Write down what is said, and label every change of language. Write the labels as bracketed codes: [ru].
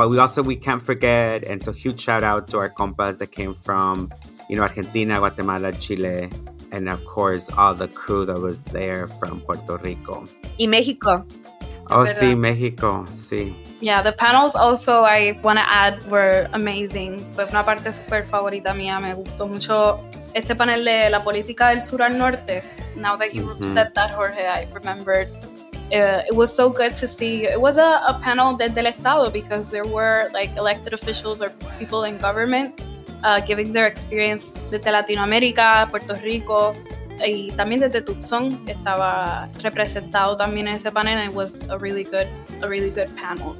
[en] But we can't forget, and so huge shout out to our compas that came from, you know, Argentina, Guatemala, Chile, and of course, all the crew that was there from Puerto Rico. [es] Y Mexico. Oh, pero, sí, Mexico, sí. [en] Yeah, the panels also, I want to add, were amazing. [es] Fue una parte super favorita mía. Me gustó mucho este panel de la política del sur al norte. [en] Now that you said that, Jorge, I remembered. It was so good to see. It was a panel [es] del Estado, [en] because there were like elected officials or people in government giving their experience [es] desde Latinoamérica, [en] Puerto Rico, [es] y también desde Tucson estaba representado también en ese panel, [en] and it was a really good panel.